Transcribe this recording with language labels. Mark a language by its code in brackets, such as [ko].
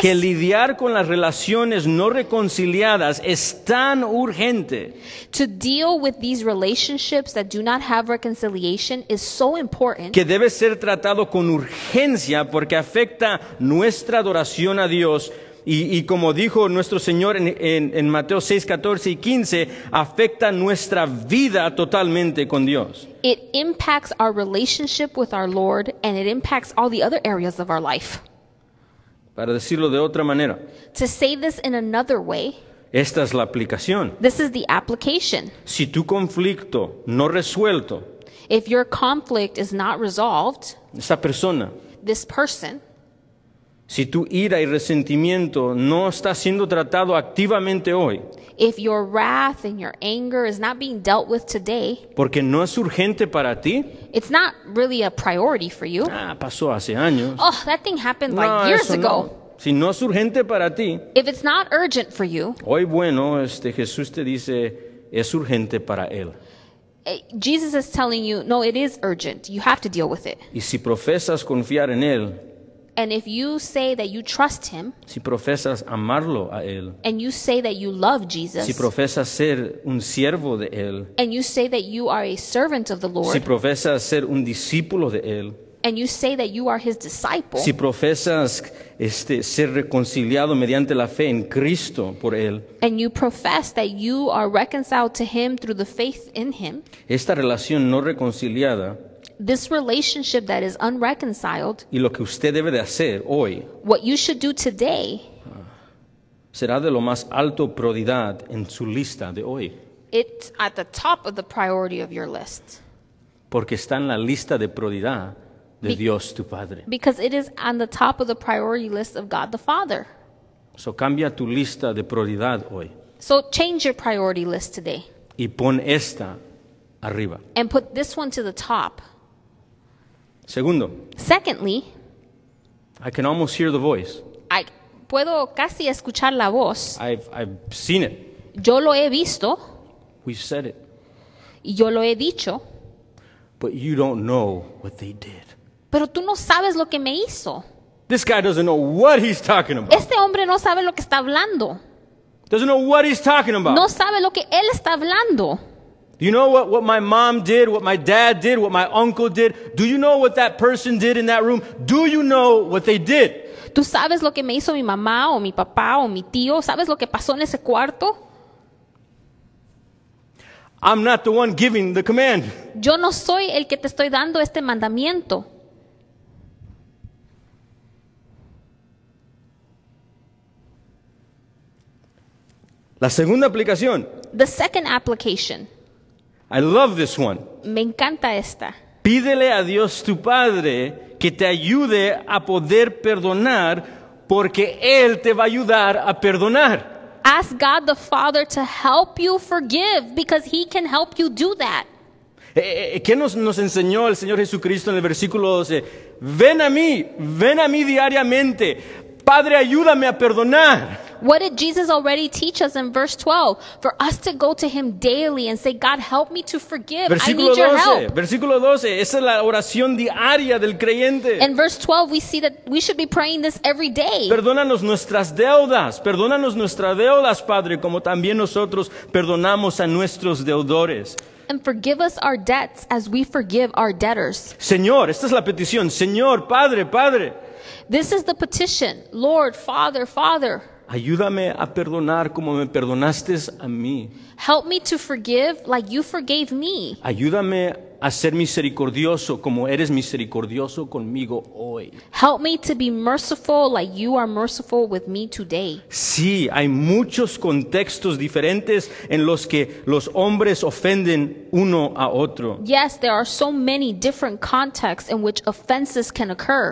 [es] que lidiar con las relaciones no reconciliadas es tan urgente. [en] To deal with these relationships that do not have reconciliation is so important. [es] Que debe ser tratado con urgencia porque afecta nuestra adoración a Dios Y como dijo nuestro Señor en Mateo 6, 14 y 15, afecta nuestra vida totalmente con Dios. [en] It impacts our relationship with our Lord, and it impacts all the other areas of our life. [es] Para decirlo de otra manera. [en] To say this in another way. [es] Esta es la aplicación. [en] This is the application. [es] Si tu conflicto no resuelto. [en] If your conflict is not resolved. [es] Esa persona. [en] This person. [es] Si tu ira y resentimiento no está siendo tratado activamente hoy. [en] If your wrath and your anger is not being dealt with today. [es] Porque no es urgente para ti. [en] It's not really a priority for you. [es] Ah, pasó hace años. [en] Oh, that thing happened years ago. [es] Si no es urgente para ti. [en] If it's not urgent for you. [es] Hoy, bueno, Jesús te dice, es urgente para él. [en] Jesus is telling you, no, it is urgent. You have to deal with it. [es] Y si profesas confiar en él. [en] And if you say that you trust him, [es] si profesas amarlo a él, [en] and you say that you love Jesus, [es] si profesas ser un siervo de él, [en] and you say that you are a servant of the Lord, [es] si profesas ser un discípulo de él, [en] and you say that you are his disciple, [es] si profesas ser reconciliado mediante la fe en Cristo por él, [en] and you profess that you are reconciled to him through the faith in him, [es] esta relación no reconciliada, [en] this relationship that is unreconciled, [es] y lo que usted debe de hacer hoy, [en] what you should do today, [es] será de lo más alto prioridad en su lista de hoy. [en] It's at the top of the priority of your list. [es] Porque está en la lista de prioridad de Dios tu Padre. [en] Because it is on the top of the priority list of God the Father. [es] So cambia tu lista de prioridad hoy. [en] So change your priority list today. [es] Y pon esta arriba. [en] And put this one to the top. [es] Segundo. [en] Secondly, I can almost hear the voice. [es] I puedo casi escuchar la voz. [en] I've seen it. [es] Yo lo he visto. [en] We've said it. [es] Yo lo he dicho. [en] But you don't know what they did. [es] Pero tú no sabes lo que me hizo. [en] This guy doesn't know what he's talking about. [es] Este hombre no sabe lo que está hablando. [en] Doesn't know what he's talking about. [es] No sabe lo que él está hablando. [en] Do you know what my mom did, what my dad did, what my uncle did? Do you know what that person did in that room? Do you know what they did? [es] ¿Tú sabes lo que me hizo mi mamá o mi papá o mi tío? ¿Sabes lo que pasó en ese cuarto? [en] I'm not the one giving the command. [es] Yo no soy el que te estoy dando este mandamiento. La segunda aplicación. [en] The second application. I love this one. [es] Me encanta esta. Pídele a Dios tu Padre que te ayude a poder perdonar porque Él te va a ayudar a perdonar. [en] Ask God the Father to help you forgive because He can help you do that. [es] ¿Qué nos enseñó el Señor Jesucristo en el versículo 12? Ven a mí diariamente. Padre, ayúdame a perdonar. [en] What did Jesus already teach us in verse 12? For us to go to him daily and say, God, help me to forgive. [es] Versículo [en] I need [es] 12, [en] your help. [es] Versículo 12, esa es la oración diaria del creyente. [en] In verse 12, we see that we should be praying this every day. [es] Perdónanos nuestras deudas. Perdónanos nuestras deudas, Padre, como también nosotros perdonamos a nuestros deudores. [en] And forgive us our debts as we forgive our debtors. [es] Señor, esta es la petición. Señor, Padre, Padre. [en] This is the petition. Lord, Father, Father. [es] Ayúdame a perdonar como me perdonaste a mí. [en] Help me to forgive like you forgave me. [es] Ayúdame a ser misericordioso como eres misericordioso conmigo hoy. [en] Help me to be merciful like you are merciful with me today. [es] Sí, hay muchos contextos diferentes en los que los hombres ofenden uno a otro. [en] Yes, there are so many different contexts in which offenses can occur.